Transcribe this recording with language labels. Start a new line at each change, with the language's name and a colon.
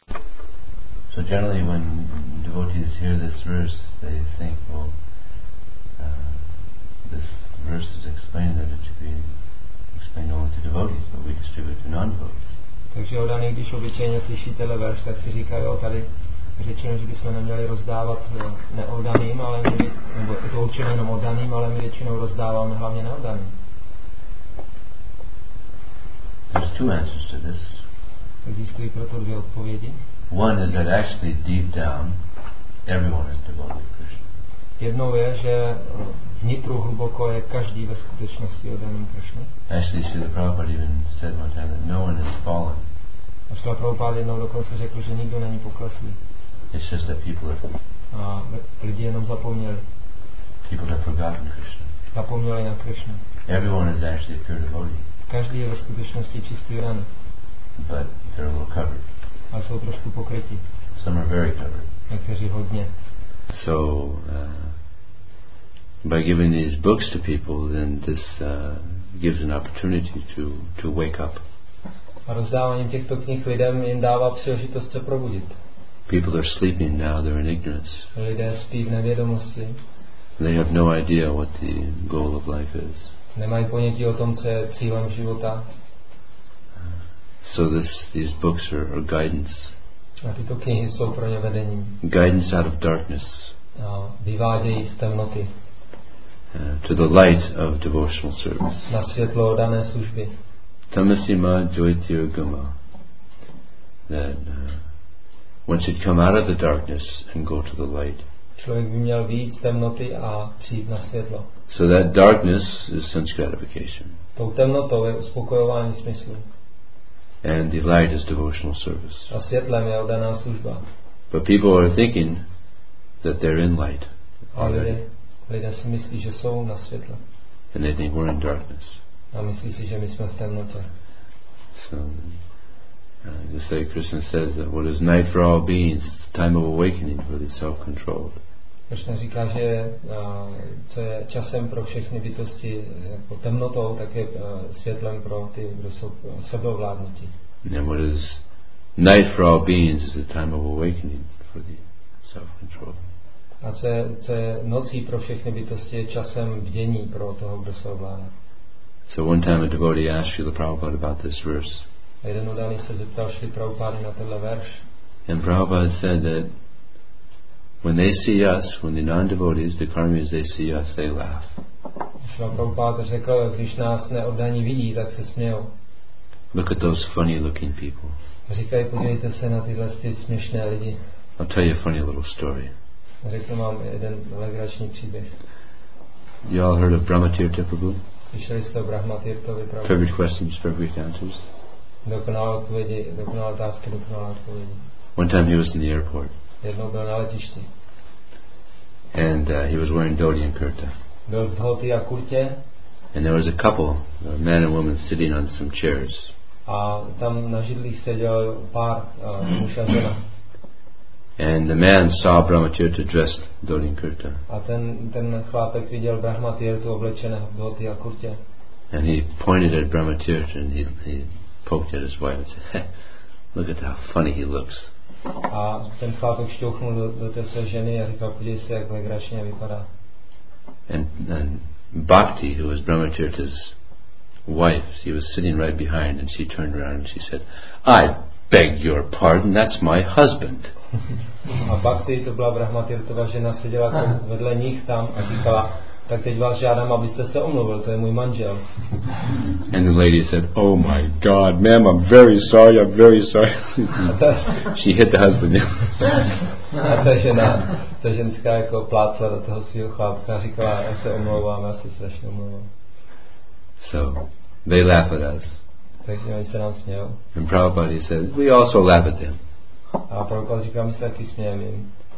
English: So generally when devotees hear this verse, they think, well, this verse is explained that it should be explained only to devotees, but we distribute to non-devotees.
Czech: Takže od daný, když obyčejně slyšíte verš, tak si říká, jo, tady řečeno, že bychom neměli rozdávat neoddaným, ale my, nebo je to určeno jenom oddaným, ale my většinou rozdáváme hlavně neoddaným.
English: There's two answers to this.
Czech: Existují proto dvě odpovědi.
English: One is that actually deep down everyone is devoted to Krishna.
Czech: Jednou je, že vnitru hluboko je každý ve skutečnosti oddaným Krishna.
English: Actually, Srila Prabhupada even said one time that no one has fallen.
Czech: A Srila Prabhupada jednou dokonce řekl, že nikdo není pokleslý.
English: It's just that people are.
Czech: A lidi jenom zapomněli.
English: People have forgotten Krishna.
Czech: Zapomněli na Krishna.
English: Everyone is actually a pure devotee.
Czech: Každý je ve skutečnosti čistý rán.
English: But they're a little covered.
Czech: A jsou trošku pokrytí.
English: Some are very covered.
Czech: Někteří hodně.
English: So by giving these books to people, then this gives an opportunity to wake up.
Czech: A rozdávání těchto knih lidem jim dává příležitost se probudit.
English: People are sleeping now, they're in ignorance.
Czech: Lidé spí v nevědomosti.
English: They have no idea what the goal of life is.
Czech: Nemají ponětí o tom, co je cílem života.
English: So these books are guidance.
Czech: A tyto knihy jsou pro ně vedením.
English: Guidance out of darkness.
Czech: A vyvádějí z temnoty.
English: To the light of devotional service.
Czech: Na světlo dané služby.
Sanskrit: Tamasima jyotirgama.
English: That one should come out of the darkness and go to the light.
Czech: Člověk by měl vyjít z temnoty a přijít na světlo.
English: So that darkness is sense gratification.
Czech: Tou temnotou je uspokojování smyslu.
English: And the light is devotional service.
Czech: A světlem je oddaná služba.
English: But people are thinking that they're in light.
Czech: A lidé si myslí, že jsou na světle.
English: And they think we're in darkness.
Czech: A myslí si, že my jsme v temnotě.
English: So, just like Krishna says that what is night for all beings, it's time of awakening for the self-controlled.
Czech: Krishna říká, že co je časem pro všechny bytosti jako temnotou, tak je světlem pro ty, kdo jsou sebeovládnutí.
English: And what is night for all beings is the time of awakening for the self-control.
Czech: A co je nocí pro všechny bytosti je časem bdění pro toho, kdo se ovládá.
English: So one time a devotee asked Srila Prabhupada about this verse.
Czech: A jeden udaný se zeptal Srila Prabhupada na tenhle verš.
English: And Prabhupada said that when they see us, when the non-devotees, the karmis, they see us, they laugh.
Czech: Prabhupada řekl, když nás neoddaní vidí, tak se smějou.
English: Look at those funny looking people.
Czech: Říkají, podívejte se na tyhle ty směšné lidi.
English: I'll tell you a funny little story.
Czech: Řekl vám jeden legrační příběh.
English: You all heard of Brahmatirtha Prabhu?
Czech: Slyšeli jste o Brahmatirthovi Prabhu?
English: Perfect questions, perfect answers.
Czech: Dokonalé odpovědi, dokonalé otázky, dokonalé odpovědi.
English: One time he was in the airport.
Czech: Jednou byl na letišti.
English: And he was wearing dhoti and kurta.
Czech: Byl v dhoti a kurtě.
English: And there was a couple, a man and woman, sitting on some chairs.
Czech: A tam na židlích seděl pár muž a žena.
English: And the man saw Brahmatirtha dressed in dhoti and kurta.
Czech: A ten chlápek viděl Brahmatirthu oblečeného v dhoti a kurtě.
English: And he pointed at Brahmatirtha and he poked at his wife and said, look at how funny he looks.
Czech: A ten chlápek šťouchnul do té své ženy a říkal, podívej se, jak legračně vypadá.
English: And Bhakti, who was Brahmatirtha's wife, she was sitting right behind and she turned around and she said, I beg your pardon, that's my husband.
Czech: A Bhakti, to byla Brahmatirtova žena, seděla tam vedle nich tam a říkala, tak teď vás žádám, abyste se omluvil, to je můj manžel.
English: And the lady said, oh my god, ma'am, I'm very sorry, I'm very sorry. She hit the husband.
Czech: A ta ženská jako plácla do toho svýho chlapka a říkala, já se omlouvám, já se strašně omlouvám.
English: So, they laugh at us.
Czech: Takže oni se nám smějou.
English: And Prabhupada, he says, we also laugh at them.
Czech: A Prabhupada říká, my se taky smějeme jim.